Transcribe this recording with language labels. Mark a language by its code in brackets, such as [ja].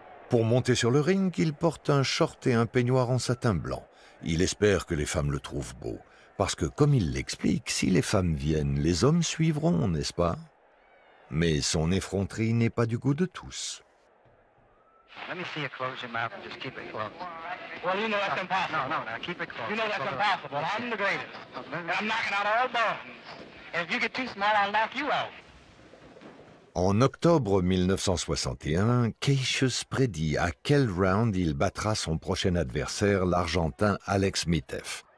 [fr] Pour monter sur le ring, il porte un short et un peignoir en satin blanc. Il espère que les femmes le trouvent beau. Parce que, comme il l'explique, si les femmes viennent, les hommes suivront, n'est-ce pas? Mais son effronterie n'est pas du goût de tous. [en] Let me see you close your mouth and just keep it closed. Well, you know that's impossible. No, keep it closed. You know that's impossible. I'm the greatest. And I'm knocking out all bones. And if you get too smart, I'll knock you out. [fr] En octobre 1961, Cassius prédit à quel round il battra son prochain adversaire, l'Argentin Alex Mitev.